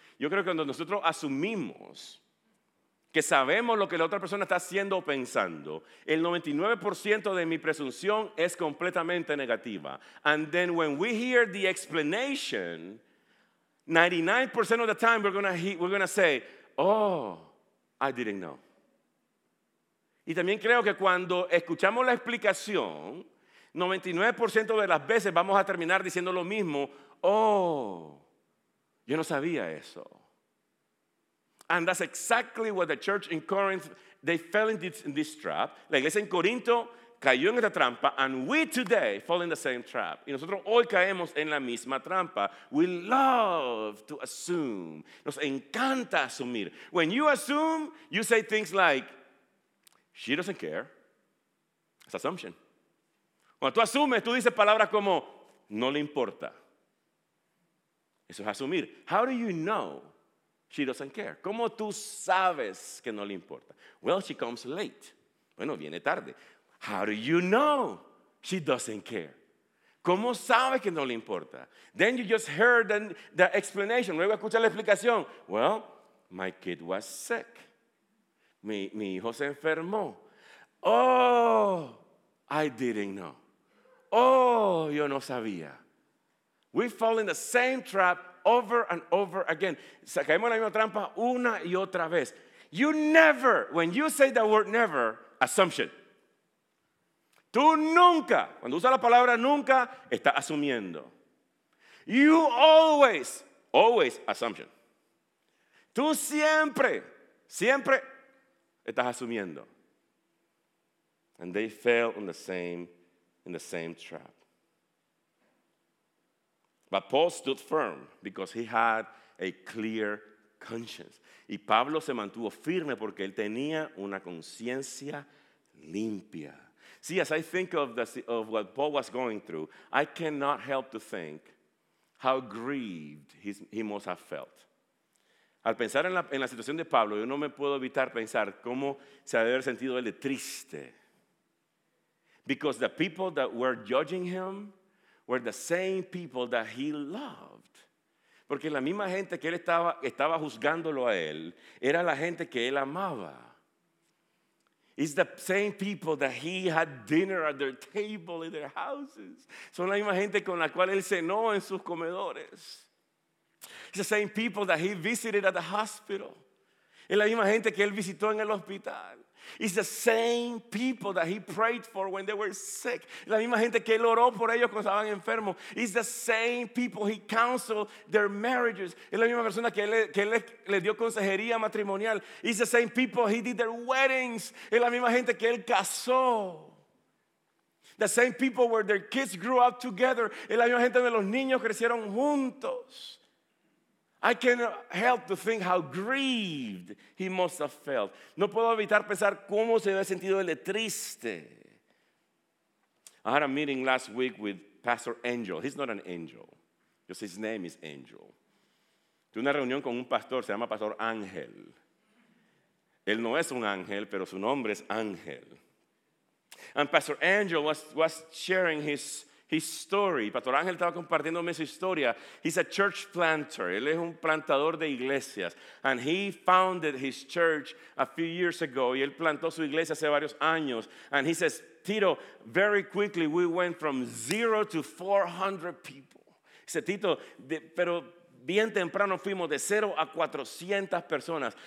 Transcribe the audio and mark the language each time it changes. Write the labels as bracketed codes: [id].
[es] Yo creo que cuando nosotros asumimos que sabemos lo que la otra persona está haciendo o pensando, el 99% de mi presunción es completamente negativa. [en] And then when we hear the explanation, 99% of the time we're gonna say, oh, I didn't know. [es] Y también creo que cuando escuchamos la explicación, 99% de las veces vamos a terminar diciendo lo mismo, oh, yo no sabía eso. [en] And that's exactly what the church in Corinth, they fell in this trap. [es] La iglesia en Corinto cayó en esta trampa, [en] and we today fall in the same trap. [es] Y nosotros hoy caemos en la misma trampa. [en] We love to assume. [es] Nos encanta asumir. [en] When you assume, you say things like, she doesn't care. It's assumption. [es] Cuando tú asumes, tú dices palabras como, no le importa. Eso es asumir. [en] How do you know? She doesn't care. [es] ¿Cómo tú sabes que no le importa? [en] Well, she comes late. [es] Bueno, viene tarde. [en] How do you know she doesn't care? [es] ¿Cómo sabes que no le importa? [en] Then you just heard the explanation. [es] Luego escucha la explicación. [en] Well, my kid was sick. [es] Mi hijo se enfermó. [en] Oh, I didn't know. [es] Oh, yo no sabía. [en] We fall in the same trap over and over again. [es] Caemos en la misma trampa una y otra vez. [en] You never, when you say the word never, assumption. [es] Tú nunca, cuando usas la palabra nunca, estás asumiendo. [en] You always, always assumption. [es] Tú siempre, siempre estás asumiendo. [en] And they fell in the same trap. But Paul stood firm because he had a clear conscience. [es] Y Pablo se mantuvo firme porque él tenía una conciencia limpia. [en] See, as I think of what Paul was going through, I cannot help to think how grieved he must have felt. [es] Al pensar en la situación de Pablo, yo no me puedo evitar pensar cómo se debe haber sentido él de triste. [en] Because the people that were judging him were the same people that he loved. [es] Porque la misma gente que él estaba juzgándolo a él era la gente que él amaba. [en] It's the same people that he had dinner at their table in their houses. [es] Son la misma gente con la cual él cenó en sus comedores. [en] It's the same people that he visited at the hospital. [es] Es la misma gente que él visitó en el hospital. [en] It's the same people that he prayed for when they were sick. [es] La misma gente que él oró por ellos cuando estaban enfermos. [en] It's the same people he counseled their marriages. [es] Es la misma persona que él le dio consejería matrimonial. [en] It's the same people he did their weddings. [es] Es la misma gente que él casó. [en] The same people where their kids grew up together. [es] Es la misma gente donde los niños crecieron juntos. [en] I cannot help to think how grieved he must have felt. [es] No puedo evitar pensar cómo se había sentido él de triste. [en] I had a meeting last week with Pastor Angel. He's not an angel, just his name is Angel. [es] Tuve una reunión con un pastor, se llama Pastor Ángel. Él no es un ángel, pero su nombre es Ángel. [en] And Pastor Angel was sharing his story. [es] Pastor Ángel estaba compartiéndome su historia. [en] He's a church planter. [es] Él es un plantador de iglesias. [en] And he founded his church a few years ago. [es] Y él plantó su iglesia hace varios años. [en] And he says, Tito, very quickly we went from 0 to 400 people. He said, [es] Tito, pero bien temprano fuimos de 0 a 400 personas.